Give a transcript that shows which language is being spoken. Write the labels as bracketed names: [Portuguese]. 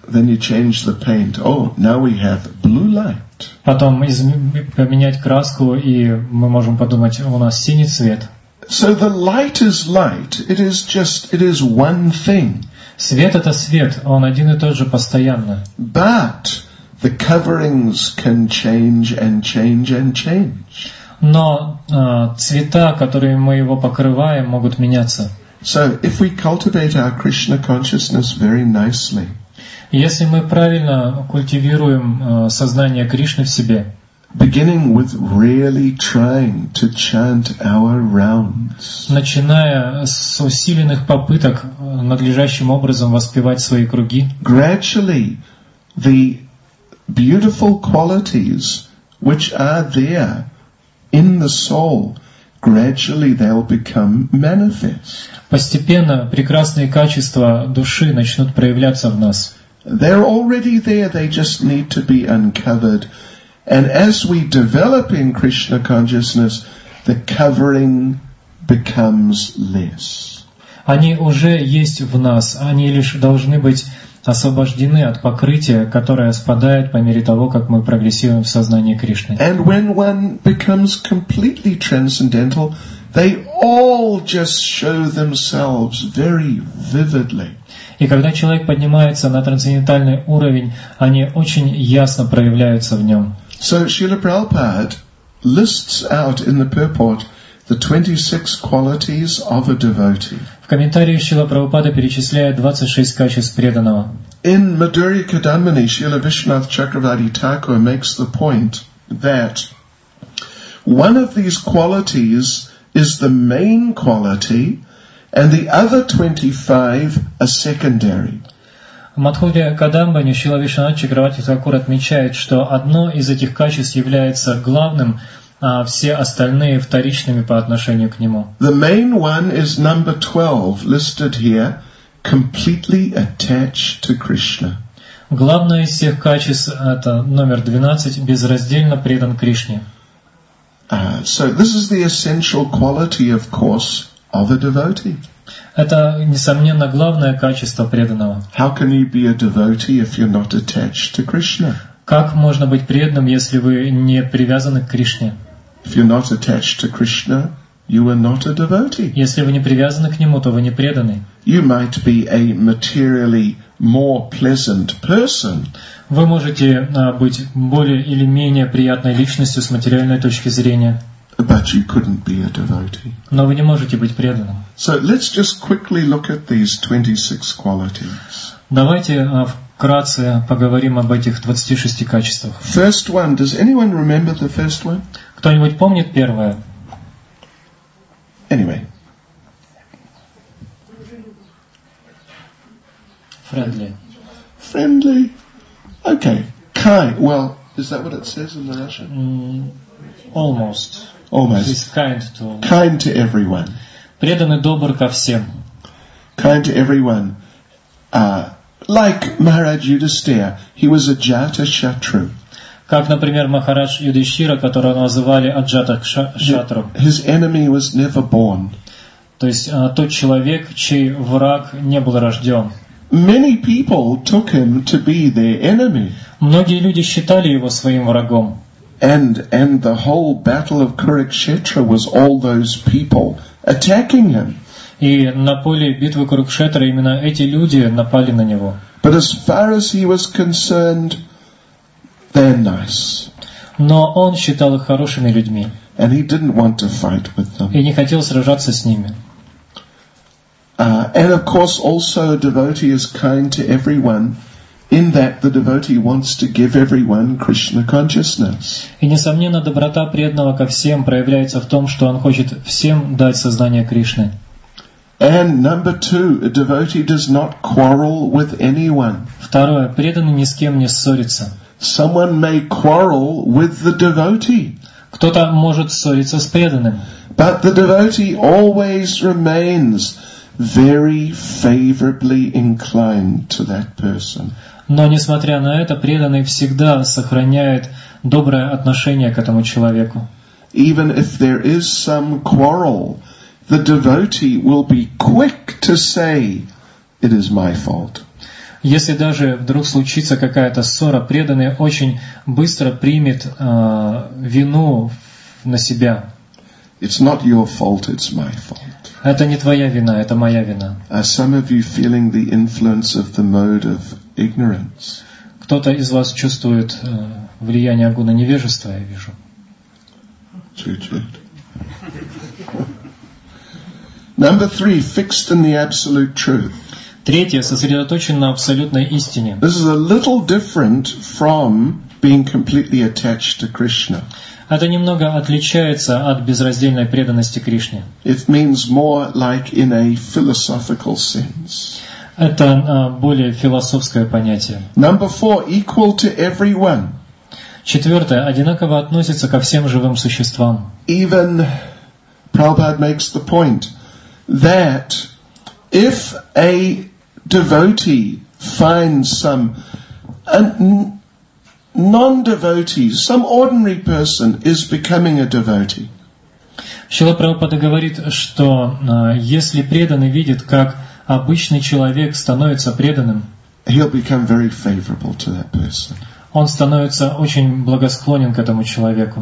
[English] Then you change the paint. Oh, now we have blue light. [Russian] Потом поменять краску, и мы можем подумать, у нас синий цвет. [English] So the light is light. It is one thing. [Russian] Свет это свет, он один и тот же постоянно. [English] But the coverings can change and change and change. [Russian] Но цвета, которыми мы его покрываем, могут меняться. [English] So if we cultivate our Krishna consciousness very nicely. [Russian] Если мы правильно культивируем сознание Кришны в себе. [English] Beginning with really trying to chant our rounds. [Russian] Начиная с усиленных попыток надлежащим образом воспевать свои круги. [English] Gradually, the beautiful qualities which are there in the soul, gradually they'll become manifest. [Russian] Постепенно прекрасные качества души начнут проявляться в нас. [English] They're already there, they just need to be uncovered. And as we develop in Krishna consciousness, the covering becomes less. [Russian] Они уже есть в нас, они лишь должны быть освобождены от покрытия, которое спадает по мере того, как мы прогрессируем в сознании Кришны. [English] And when one becomes completely transcendental, they all just show themselves very vividly. [Russian] И когда человек поднимается на трансцендентальный уровень, они очень ясно проявляются в нем. [English] So Srila Prabhupada lists out in the purport the 26 qualities of a devotee. [Russian] В комментарии Шрила Прабхупада перечисляет 26 качеств преданного. [English] In Madhurya Kadambini, Srila Vishwanath Chakravarti Thakur makes the point that one of these qualities is the main quality and the other 25 are secondary. [Russian] В Мадхурья Кадамбани Шрила Вишванатха Чакравати Такур отмечает, что одно из этих качеств является главным, а все остальные вторичными по отношению к нему. [English] The main one is number 12, listed here, completely attached to Krishna. [Russian] Главное из всех качеств это номер 12, безраздельно предан Кришне. [English] So this is the essential quality, of course, of a devotee. [Russian] Это, несомненно, главное качество преданного. [English] How can you be a devotee if you're not attached to Krishna? [Russian] Как можно быть преданным, если вы не привязаны к Кришне? [English] If you're not attached to Krishna, you are not a devotee. [Russian] Если вы не привязаны к Нему, то вы не преданы. [English] You might be a materially more pleasant person. [Russian] Вы можете быть более или менее приятной личностью с материальной точки зрения. [English] But you couldn't be a devotee. [Russian] Но вы не можете быть преданным. [English] So let's just quickly look at these 26 qualities. [Russian] Давайте вкратце поговорим об этих 26 качествах. [English] First one. Does anyone remember the first one? [Russian] Кто-нибудь помнит первое? [English] Anyway. Friendly. Friendly. Okay. Kind. Well, is that what it says in the Russian? Almost. Almost. He's kind to all. Kind to everyone. [Russian] Преданный добр ко всем. [English] Kind to everyone. Like Maharaj Yudhishthira, he was a jata shatru. [Russian] Как, например, Махарадж Юдхиштхира, которого называли аджата-кшатру. [English] His enemy was never born. [Russian] То есть тот человек, чей враг не был рожден. [English] Many people took him to be their enemy. [Russian] Многие люди считали его своим врагом. [English] And the whole battle of Kurukshetra was all those people attacking him. [Russian] И на поле битвы Курукшетра именно эти люди напали на него. [English] But as far as he was concerned, they're nice. [Russian] Но он считал их хорошими людьми. [English] And he didn't want to fight with them. [Russian] И не хотел сражаться с ними. [English] And of course, also a devotee is kind to everyone, in that the devotee wants to give everyone Krishna consciousness. [Russian] И несомненно, доброта преданного ко всем проявляется в том, что он хочет всем дать сознание Кришны. [English] And number two, a devotee does not quarrel with anyone. [Russian] Второе, преданный ни с кем не ссорится. [English] Someone may quarrel with the devotee. [Russian] Кто-то может ссориться с преданным. [English] But the devotee always remains very favorably inclined to that person. [Russian] Но несмотря на это, преданный всегда сохраняет доброе отношение к этому человеку. [English] Even if there is some quarrel, the devotee will be quick to say, "It is my fault." [Russian] Если даже вдруг случится какая-то ссора, преданный очень быстро примет вину на себя. [English] It's not your fault, it's my fault. [Russian] Это не твоя вина, это моя вина. [English] Are some of you feeling the influence of the mode of ignorance? [Russian] Кто-то из вас чувствует влияние гуна невежества, я вижу. [English] Number three, fixed in the absolute truth. [Russian] Третье, сосредоточен на абсолютной истине. [English] This is a little different from being completely attached to Krishna. [Russian] Это немного отличается от безраздельной преданности Кришне. [English] It means more like in a philosophical sense. [Russian] Это более философское понятие. [English] Number four, equal to everyone. [Russian] Четвертое, одинаково относится ко всем живым существам. [English] Even Prabhupada makes the point that if a devotee finds some non-devotee, some ordinary person is becoming a devotee. [Russian] Шрила Прабхупада говорит, что если преданный видит, как обычный человек становится преданным, [English] he'll become very favorable to that person. [Russian] Он становится очень благосклонен к этому человеку.